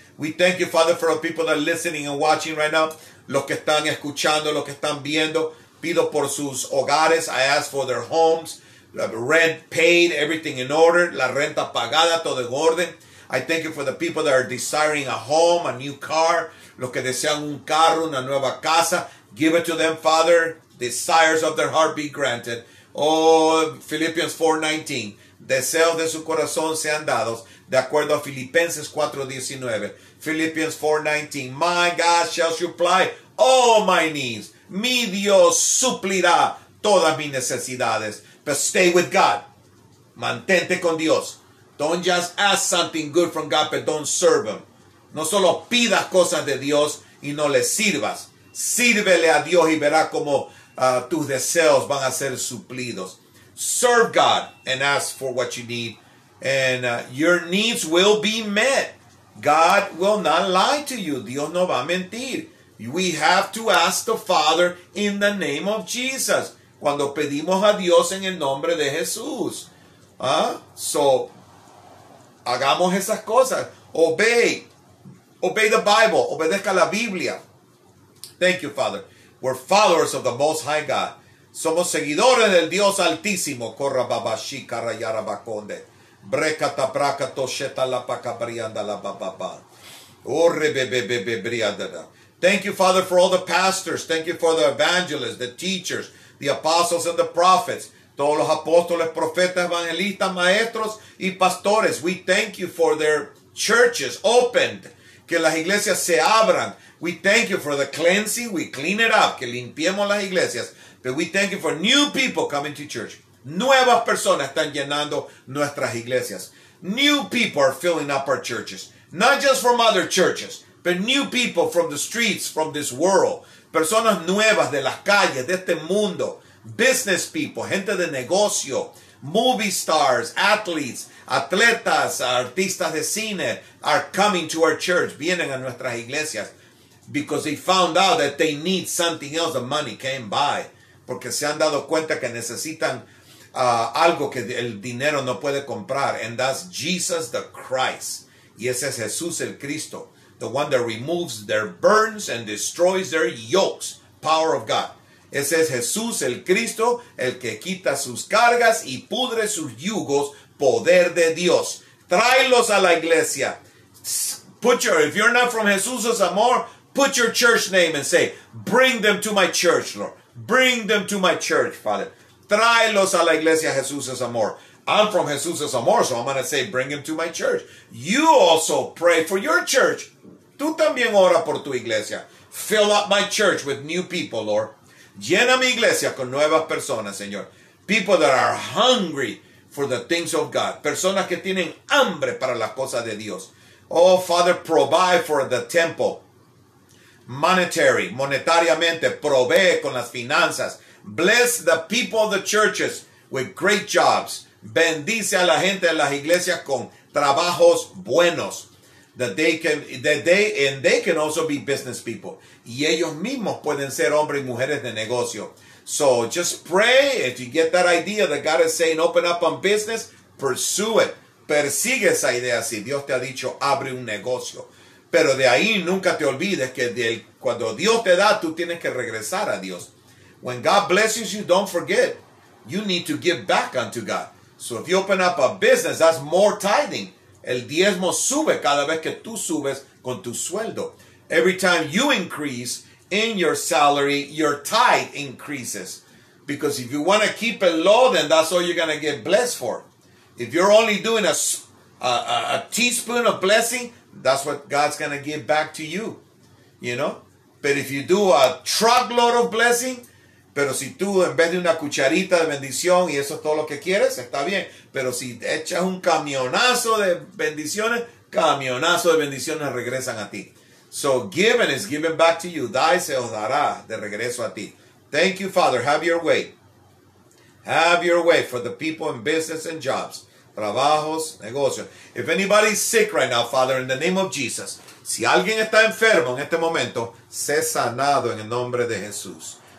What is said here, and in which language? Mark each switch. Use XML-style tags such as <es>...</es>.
<en>We thank you, Father, for the people that are listening and watching right now.</en> <es>Los que están escuchando, los que están viendo, pido por sus hogares.</es> <en>I ask for their homes, the rent paid, everything in order,</en> <es>la renta pagada, todo en orden.</es> <en>I thank you for the people that are desiring a home, a new car,</en> <es>los que desean un carro, una nueva casa.</es> <en>Give it to them, Father. Desires of their heart be granted.</en> <es>Oh, Philippians 4:19. Deseos de su corazón sean dados de acuerdo a Filipenses 4:19.</es> <en>Philippians 4:19. My God shall supply all my needs.</en> <es>Mi Dios suplirá todas mis necesidades.</es> <en>But stay with God.</en> <es>Mantente con Dios.</es> <en>Don't just ask something good from God, but don't serve him.</en> <es>No solo pidas cosas de Dios y no le sirvas. Sírvele a Dios y verás cómo tus deseos van a ser suplidos.</es> <en>Serve God and ask for what you need. And your needs will be met. God will not lie to you.</en> <es>Dios no va a mentir.</es> <en>We have to ask the Father in the name of Jesus.</en> <es>Cuando pedimos a Dios en el nombre de Jesús.</es> <en>So,</en> <es>hagamos esas cosas.</es> <en>Obey. Obey the Bible.</en> <es>Obedezca la Biblia.</es> <en>Thank you, Father. We're followers of the Most High God.</en> <es>Somos seguidores del Dios Altísimo. Corra babashi karayara bakonde. Breka tabraka tosheta la pakabrianda la bababa. Orre bebebebe briadada.</es> <en>Thank you, Father, for all the pastors. Thank you for the evangelists, the teachers, the apostles and the prophets.</en> <es>Todos los apóstoles, profetas, evangelistas, maestros y pastores.</es> <en>We thank you for their churches opened.</en> <es>Que las iglesias se abran.</es> <en>We thank you for the cleansing. We clean it up.</en> <es>Que limpiemos las iglesias.</es> <en>But we thank you for new people coming to church.</en> <es>Nuevas personas están llenando nuestras iglesias.</es> <en>New people are filling up our churches. Not just from other churches, but new people from the streets, from this world.</en> <es>Personas nuevas de las calles, de este mundo.</es> <en>Business people,</en> <es>gente de negocio,</es> <en>movie stars, athletes,</en> <es>atletas, artistas de cine</es> <en>are coming to our church,</en> <es>vienen a nuestras iglesias</es> <en>because they found out that they need something else, the money came by,</en> <es>porque se han dado cuenta que necesitan algo que el dinero no puede comprar,</es> <en>and that's Jesus the Christ,</en> <es>y ese es Jesús el Cristo,</es> <en>the one that removes their burdens and destroys their yokes, power of God.</en> <es>Ese es Jesús el Cristo, el que quita sus cargas y pudre sus yugos poder de Dios. Tráelos a la iglesia.</es> <en>Put your, if you're not from Jesús es amor, put your church name and say, bring them to my church, Lord. Bring them to my church, Father.</en> <es>Tráelos a la iglesia,</es> <en>Jesús es amor. I'm from Jesús es amor, so I'm going to say, bring them to my church. You also pray for your church.</en> <es>Tú también ora por tu iglesia.</es> <en>Fill up my church with new people, Lord.</en> <es>Llena mi iglesia con nuevas personas, Señor.</es> <en>People that are hungry for the things of God.</en> <es>Personas que tienen hambre para las cosas de Dios.</es> <en>Oh, Father, provide for the temple. Monetary,</en> <es>monetariamente, provee con las finanzas.</es> <en>Bless the people of the churches with great jobs.</en> <es>Bendice a la gente de las iglesias con trabajos buenos.</es> <en>That they can also be business people.</en> <es>Y ellos mismos pueden ser hombres y mujeres de negocio.</es> <en>So just pray. If you get that idea that God is saying open up on business, pursue it.</en> <es>Persigue esa idea si Dios te ha dicho abre un negocio. Pero de ahí nunca te olvides que cuando Dios te da, tú tienes que regresar a Dios.</es> <en>When God blesses you, don't forget. You need to give back unto God. So if you open up a business, that's more tithing.</en> <es>El diezmo sube cada vez que tú subes con tu sueldo.</es> <en>Every time you increase in your salary, your tithe increases. Because if you want to keep it low, then that's all you're going to get blessed for. If you're only doing a teaspoon of blessing, that's what God's going to give back to you. You know? But if you do a truckload of blessing,</en> <es>pero si tú en vez de una cucharita de bendición y eso es todo lo que quieres, está bien. Pero si echas un camionazo de bendiciones regresan a ti.</es> <en>So given is given back to you.</en> <es>Da y se os dará de regreso a ti.</es> <en>Thank you, Father. Have your way. Have your way for the people in business and jobs.</en> <es>Trabajos, negocios.</es> <en>If anybody is sick right now, Father, in the name of Jesus.</en> <es>Si alguien está enfermo en este momento, sé sanado en el nombre de Jesús.</es>